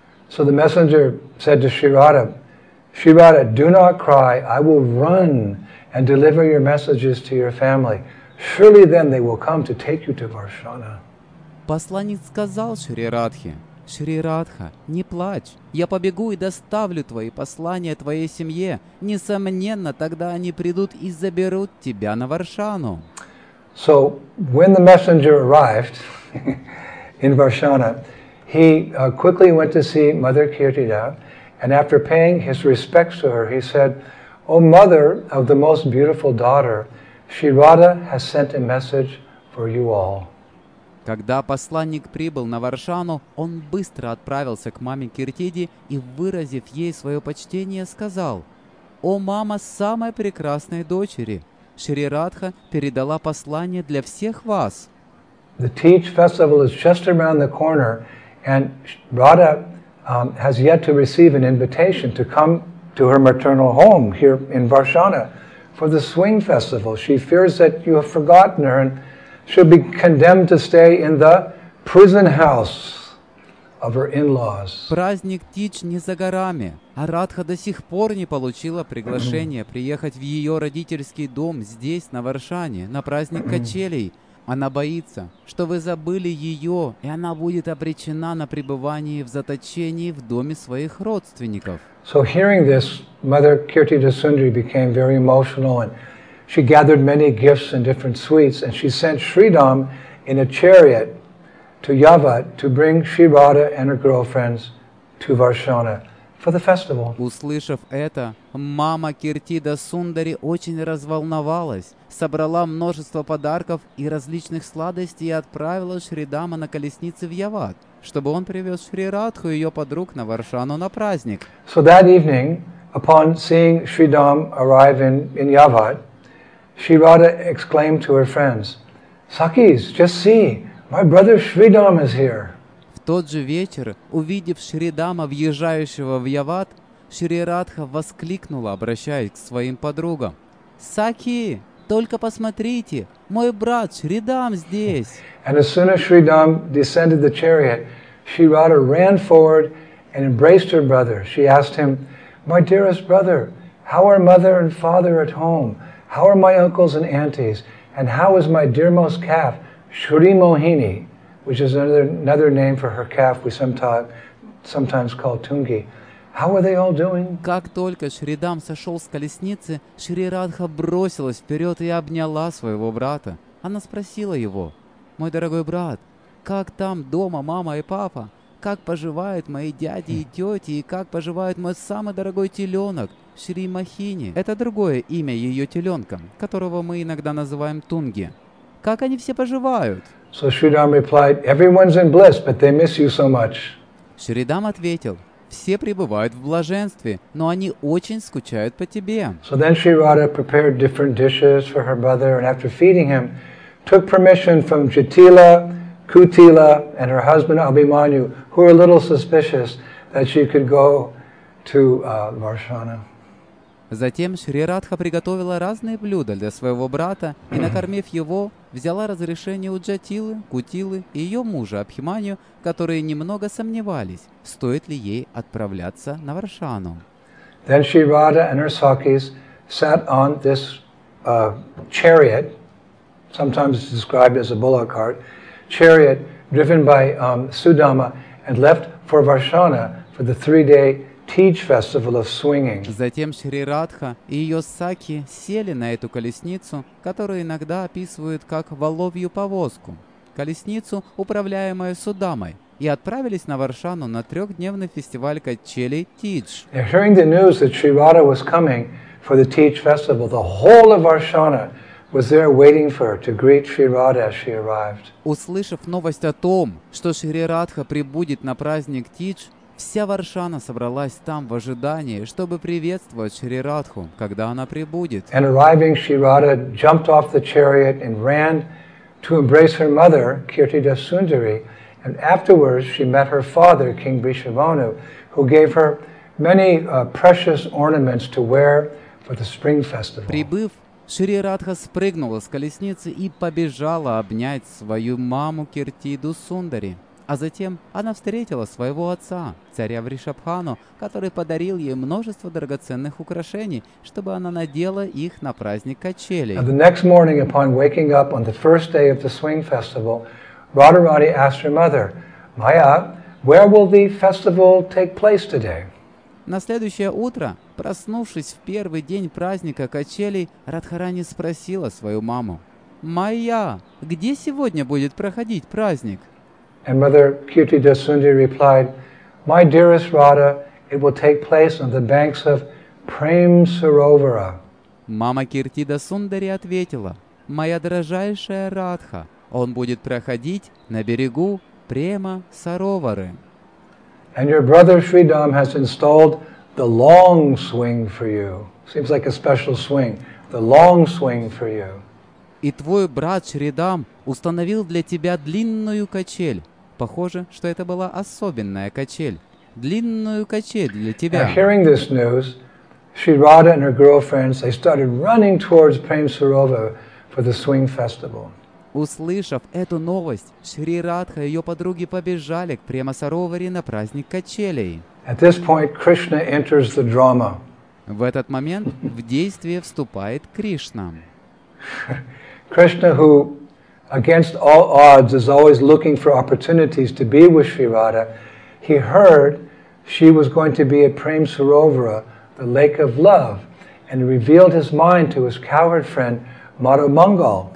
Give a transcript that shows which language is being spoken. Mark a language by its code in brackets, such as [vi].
[en] So the messenger said to Shirada, Shirada, do not cry, I will run and deliver your messages to your family. Surely then they will come to take you to Varshana. [ru] Посланец сказал Шри Радхе, Шри Радха, не плачь, я побегу и доставлю твои послания твоей семье. Несомненно, тогда они придут и заберут тебя на Варшану. [en] So when the messenger arrived in Varshana, he quickly went to see Mother Kirtida, and after paying his respects to her, he said, O mother of the most beautiful daughter, Shirada has sent a message for you all. [ru] Когда посланник прибыл на Варшану, он быстро отправился к маме Киртиде и, выразив ей свое почтение, сказал, «О, мама самой прекрасной дочери! Шри Радха передала послание для всех вас!» [en] The Teach Festival is just around the corner, and Radha has yet to receive an invitation to come to her maternal home here in Varshana for the Swing Festival. She fears that you have forgotten her, and she'll be condemned to stay in the prison house of her in-laws. [ru] Праздник Тич не за горами, а Радха до сих пор не получила приглашение приехать в ее родительский дом здесь, на Варшане, на праздник качелей. Она боится, что вы забыли ее, и она будет обречена на пребывание в заточении в доме своих родственников. [en] So hearing this, Mother Kirtida Sundari became very emotional, and she gathered many gifts and different sweets, and she sent Sridham in a chariot to Yavat to bring Shirada and her girlfriends to Varshana for the festival. [ru] Услышав это, мама Киртида Сундари очень разволновалась, собрала множество подарков и различных сладостей и отправила Шридама на колеснице в Яват, чтобы он привез Шри Радху и ее подруг на Варшану на праздник. [en] So that evening, upon seeing Sridham arrive in Yavat, Shirada exclaimed to her friends, Sakis, just see, my brother Sridham is here. [ru] В тот же вечер, увидев Шридама, въезжающего в Яват, Шри Радха воскликнула, обращаясь к своим подругам. Саки, только посмотрите, мой брат Шридам здесь. [en] And as soon as Sridham descended the chariot, Shirada ran forward and embraced her brother. She asked him, my dearest brother, how are mother and father at home? How are my uncles and aunties? And how is my dearmost calf, Shri Mohini, which is another name for her calf we sometimes call Tungi. How are they all doing? [ru] Как только Шридам сошел с колесницы, Шри Радха бросилась вперед и обняла своего брата. Она спросила его, «Мой дорогой брат, как там дома мама и папа? Как поживают мои дяди и тети? И как поживает мой самый дорогой теленок?» Шри Махини – это другое имя ее теленка, которого мы иногда называем Тунги. Как они все поживают? [en] So Sridham replied, everyone's in bliss, but they miss you so much. [ru] Шридам ответил, все пребывают в блаженстве, но они очень скучают по тебе. [en] So then Shirada prepared different dishes for her brother, and after feeding him, took permission from Jatila, Kutila, and her husband Abhimanyu, who were a little suspicious that she could go to Varshana. [ru] Затем Шри Радха приготовила разные блюда для своего брата и, накормив его, взяла разрешение у Джатилы, Кутилы и ее мужа Абхиманию, которые немного сомневались, стоит ли ей отправляться на Варшану. [en] Then Shri Radha and her sakis sat on this chariot, sometimes described as a bullock cart, chariot driven by Sudama, and left for Varshana for the three-day Teach Festival of Swinging. [ru] Затем Шри Радха и ее саки сели на эту колесницу, которую иногда описывают как воловью повозку, колесницу, управляемую Судамой, и отправились на Варшану на трехдневный фестиваль качелей Teach. [en] Hearing the news that Shri Radha was coming for the Teach Festival, the whole of Varshana was there waiting for her to greet Shri Radha as she arrived. [ru] Услышав новость о том, что Шри Радха прибудет на праздник Teach, вся Варшана собралась там в ожидании, чтобы приветствовать Шри Радху, когда она прибудет. [en] And arriving, Shirada jumped off the chariot and ran to embrace her mother, Kirtida Sundari. And afterwards, she met her father, King Brishavanu, who gave her many precious ornaments to wear for the spring festival. [ru] Прибыв, Шри Радха спрыгнула с колесницы и побежала обнять свою маму Киртиду Сундари. А затем она встретила своего отца, царя Вришабхану, который подарил ей множество драгоценных украшений, чтобы она надела их на праздник качелей. [en] And the next morning, upon waking up on the first day of the swing festival, Radharani asked her mother, Maya, where will the festival take place today? [ru] На следующее утро, проснувшись в первый день праздника качелей, Радхарани спросила свою маму, Майя, где сегодня будет проходить праздник? [en] And mother Kirtida Sundari replied, My dearest Radha, it will take place on the banks of Prem Sarovara. [ru] Мама Киртида Сундари ответила, Моя дорожайшая Радха, он будет проходить на берегу Према Саровары. [en] And your brother Sridham has installed the long swing for you. Seems like a special swing. The long swing for you. [ru] И твой брат Шридам установил для тебя длинную качель. Похоже, что это была особенная качель. Длинную качель для тебя. [en] Now, hearing this news, Shri Radha and her girlfriends, they started running towards Prem Sarovar for the swing festival. [ru] Услышав эту новость, Шри Радха и ее подруги побежали к Према Сароваре на праздник качелей. [en] At this point, Krishna enters the drama. [ru] В этот момент в действие вступает Кришна. [en] Krishna, who against all odds is always looking for opportunities to be with Shri Radha, he heard she was going to be at Prem Sarovara, the lake of love, and revealed his mind to his cowherd friend, Madhu Mangal.